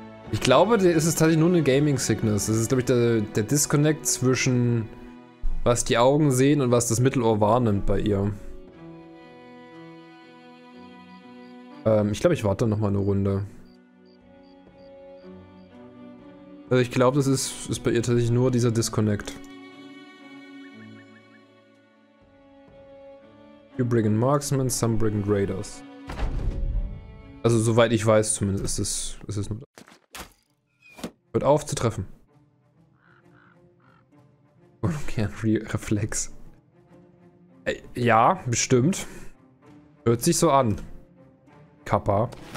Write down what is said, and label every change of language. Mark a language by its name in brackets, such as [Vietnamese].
[German] Ich glaube, es ist tatsächlich nur eine Gaming-Sickness. Es ist, glaube ich, der Disconnect zwischen was die Augen sehen und was das Mittelohr wahrnimmt bei ihr. Ich glaube, ich warte nochmal eine Runde. Also ich glaube, das ist bei ihr tatsächlich nur dieser Disconnect. [English] You bring in Marksmen, some bring in Raiders. [German] Also soweit ich weiß zumindest, ist es nur... Hört auf zu treffen. Und okay, Reflex. Ja, bestimmt. Hört sich so an. Kappa.